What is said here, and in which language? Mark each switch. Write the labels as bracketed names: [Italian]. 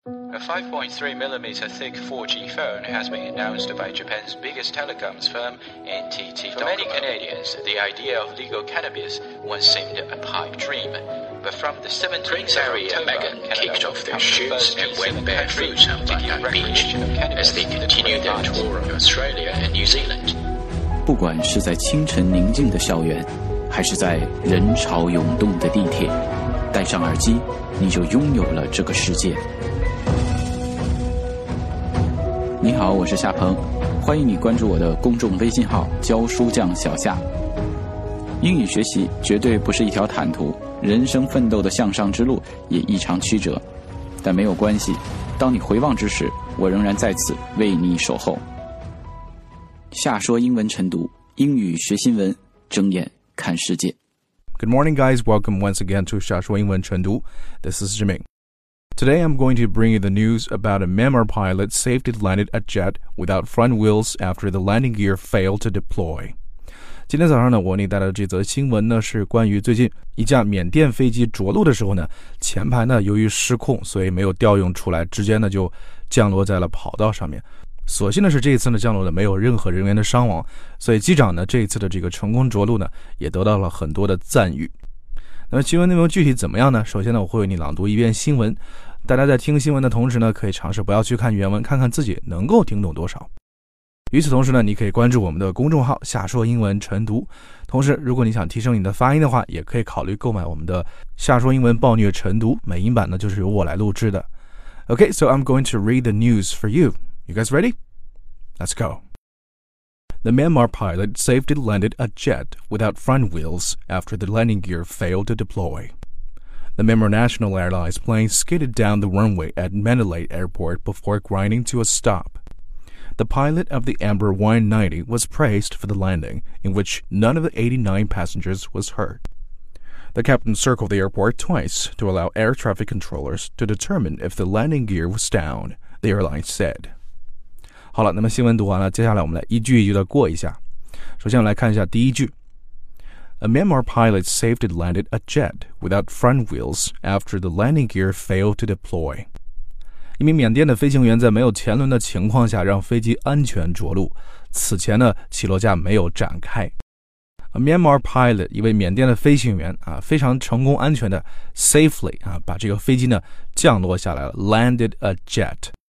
[English] A 5.3 millimeter thick 4G phone has been announced by Japan's biggest telecoms firm, NTT Docomo. For many Canadians, the idea of legal cannabis once seemed a pipe dream. But from the 17th of October, Megan kicked off their shoots and went barefoot on Bondi Beach as they continued their tour of Australia and New Zealand. [Chinese] 不管是在清晨宁静的校园，还是在人潮涌动的地铁，戴上耳机，你就拥有了这个世界。你好，我是夏鹏，欢迎你关注我的公众微信号教书匠小夏。英语学习绝对不是一条坦途，人生奋斗的向上之路也异常曲折，但没有关系，当你回望之时，我仍然在此为你守候。夏说英文晨读，英语学新闻，睁眼看世界。 [English] Good morning guys, welcome once again to 夏说英文晨读。 This is Jimmy. Today I'm going to bring you the news about a Myanmar pilot safely landed a jet without front wheels after the landing gear failed to deploy. [Chinese] 今天早上呢，我为你带来的这则新闻呢，是关于最近一架缅甸飞机着陆的时候呢，前排呢由于失控，所以没有调用出来，直接呢就降落在了跑道上面。所幸的是这一次呢降落呢没有任何人员的伤亡，所以机长呢这一次的这个成功着陆呢也得到了很多的赞誉。那么新闻内容具体怎么样呢？首先呢，我会为你朗读一遍新闻，大家在听新闻的同时呢，可以尝试不要去看原文，看看自己能够听懂多少。与此同时呢，你可以关注我们的公众号夏说英文晨读，同时如果你想提升你的发音的话，也可以考虑购买我们的夏说英文暴虐晨读，美音版呢就是由我来录制的。 [English] OK, so I'm going to read the news for you. You guys ready? Let's goThe Myanmar pilot safely landed a jet without front wheels after the landing gear failed to deploy. The Myanmar National Airlines plane skidded down the runway at Mandalay Airport before grinding to a stop. The pilot of the Amber 190 was praised for the landing, in which none of the 89 passengers was hurt. The captain circled the airport twice to allow air traffic controllers to determine if the landing gear was down, the airline said. [Chinese] 好了，那么新闻读完了，接下来我们来一句一句的过一下。首先我们来看一下第一句。 [English] A Myanmar pilot safely landed a jet without front wheels after the landing gear failed to deploy. [Chinese] 一名缅甸的飞行员在没有前轮的情况下让飞机安全着陆，此前呢起落架没有展开。 [English] A Myanmar pilot, [Chinese] 一位缅甸的飞行员啊，非常成功安全的 safely 啊，把这个飞机呢降落下来了， [English] landed a jet.